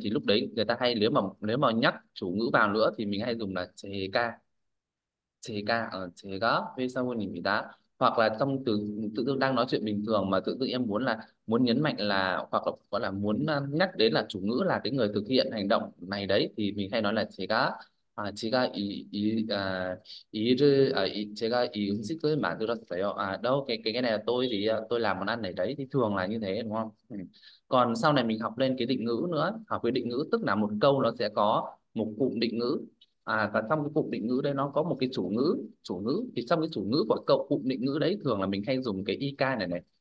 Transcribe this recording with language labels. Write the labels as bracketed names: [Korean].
[Vietnamese] Thì lúc đấy người ta hay, nếu mà nhắc chủ ngữ vào nữa thì mình hay dùng là chế ca, chế ca ở chế ca phê sao quân mì tạ, hoặc là trong từ tự dưng đang nói chuyện bình thường mà tự dưng em muốn là muốn nhấn mạnh là, hoặc là gọi là muốn nhắc đến là chủ ngữ là cái người thực hiện hành động này đấy, thì mình hay nói là chế cá. [Korean] 제가 제가 이 음식을 만들었어요. 그게 내가 [Vietnamese] tôi làm món ăn này đấy thì thường là như thế đúng không? Còn sau này mình học lên cái định ngữ nữa, học cái định ngữ tức là một câu nó sẽ có một cụm định ngữ. Và trong cái cụm định ngữ đấy nó có một cái chủ ngữ thì trong cái chủ ngữ của cậu cụm định ngữ đấy thường là mình hay dùng cái IK này này.